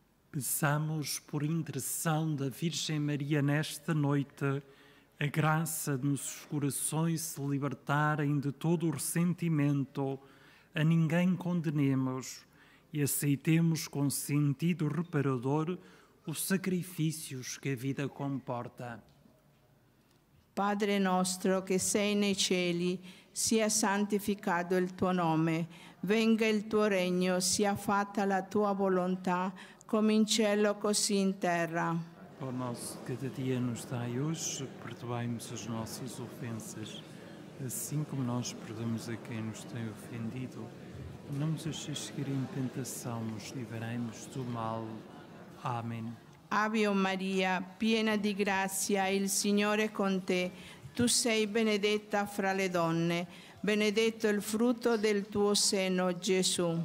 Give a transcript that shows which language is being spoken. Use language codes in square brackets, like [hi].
[pt] Peçamos por intercessão da Virgem Maria nesta noite a graça de nossos corações se libertarem de todo o ressentimento, a ninguém condenemos e aceitemos com sentido reparador os sacrifícios que a vida comporta. [it] Padre nostro che sei nei cieli, sia santificato il tuo nome, venga il tuo regno, sia fatta la tua volontà, come in cielo così in terra. [pt] Pão nosso cada dia nos dai hoje, perdoai-nos as nossas ofensas, assim como nós perdoamos a quem nos tem ofendido. Não nos deixeis cair em tentação, nos livrai-nos do mal. Amém. [it] Ave Maria, piena di grazia, il Signore è con te. Tu sei benedetta fra le donne, benedetto il frutto del tuo seno, Gesù.